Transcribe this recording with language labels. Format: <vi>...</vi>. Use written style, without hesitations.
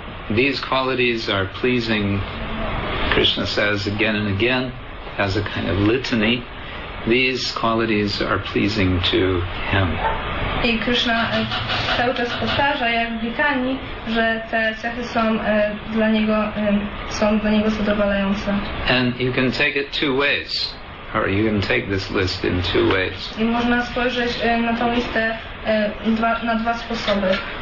<en>These qualities are pleasing, Krishna says again and again, as a kind of litany. These qualities are pleasing to him.</en> <pl>I Krishna cały czas powtarza, jak w litanii, że te cechy są dla niego zadowalające.</pl> <en>And you can take it two ways, or you can take this list in two ways.</en> <pl>I można spojrzeć na tą listę na dwa sposoby.</pl>